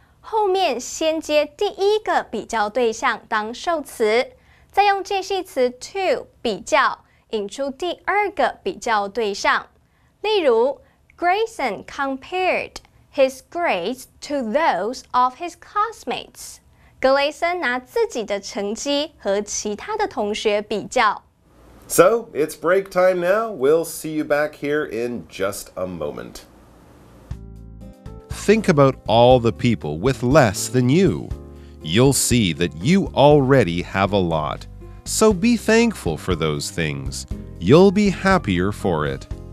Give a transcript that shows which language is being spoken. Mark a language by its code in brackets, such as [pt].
[zh] 后面先接第一个比较对象当受词，再用介系词 to 比较，引出第二个比较对象。 [en] 例如 ，Grayson compared his grades to those of his classmates。 [zh] 格雷森拿自己的成绩和其他的同学比较。 [en] So it's break time now. We'll see you back here in just a moment. Think about all the people with less than you. You'll see that you already have a lot. So be thankful for those things. You'll be happier for it.